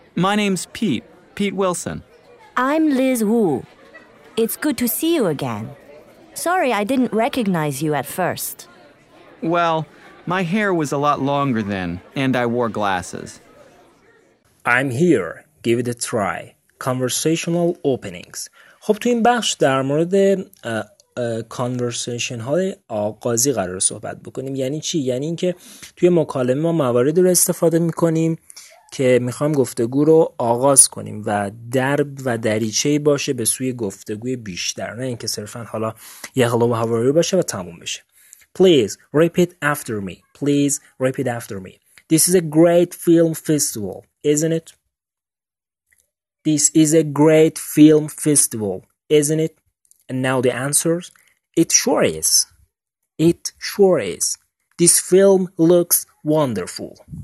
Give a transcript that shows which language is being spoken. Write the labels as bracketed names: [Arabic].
[English] My name's Pete Wilson. I'm Liz Wu. It's good to see you again. Sorry I didn't recognize you at first. Well, my hair was a lot longer then, and I wore glasses. I'm here. Give it a try. Conversational openings. [Persian] خب تو این بخش در مورد کانورسیشن های آغازی قرار صحبت بکنیم. یعنی چی؟ یعنی این که توی مکالمه ما موارد رو استفاده میکنیم که میخوایم گفتگو رو آغاز کنیم و درب و دریچه‌ای باشه به سوی گفتگوی بیشتر، نه اینکه صرفا حالا یه هلو و هاو آر یو باشه و تموم بشه. [English] Please repeat after me. Please repeat after me. This is a great film festival, isn't it? This is a great film festival, isn't it? And now the answers. It sure is. It sure is. This film looks wonderful.